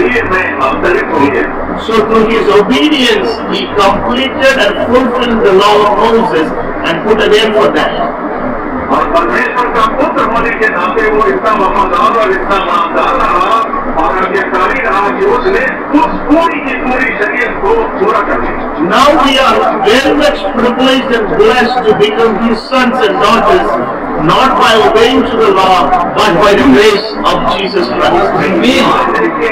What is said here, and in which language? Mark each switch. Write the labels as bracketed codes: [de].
[en] So through his obedience, he completed and fulfilled the law of Moses and put an end for that. [hi] और परमेश्वर का पुत्र होने के नाते वो इतना वफादार और इतना नामदार रहा और अज्ञाकारी रहा कि उसने उस पूरी की पूरी शरीर को पूरा कर दिया. [en] Now we are very much privileged and blessed to become his sons and daughters, not by obeying to the law, but by the grace of Jesus Christ.